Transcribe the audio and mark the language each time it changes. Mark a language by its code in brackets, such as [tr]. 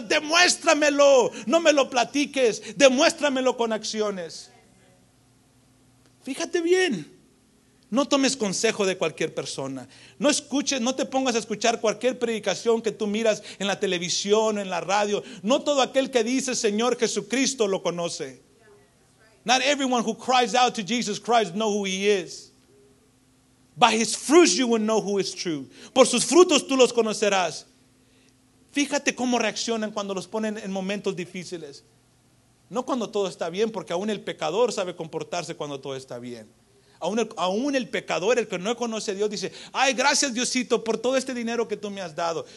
[es] Demuéstramelo. No me lo platiques. Demuéstramelo con acciones. Fíjate bien. No tomes consejo de cualquier persona. No escuches, no te pongas a escuchar cualquier predicación que tú miras en la televisión, en la radio. No todo aquel que dice Señor Jesucristo lo conoce. [en] Not everyone who cries out to Jesus Christ knows who he is. By his fruits you will know who is true. [es] Por sus frutos tú los conocerás. Fíjate cómo reaccionan cuando los ponen en momentos difíciles. No cuando todo está bien, porque aún el pecador sabe comportarse cuando todo está bien. Aún el pecador, el que no conoce a Dios, dice: ay, gracias Diosito por todo este dinero que tú me has dado.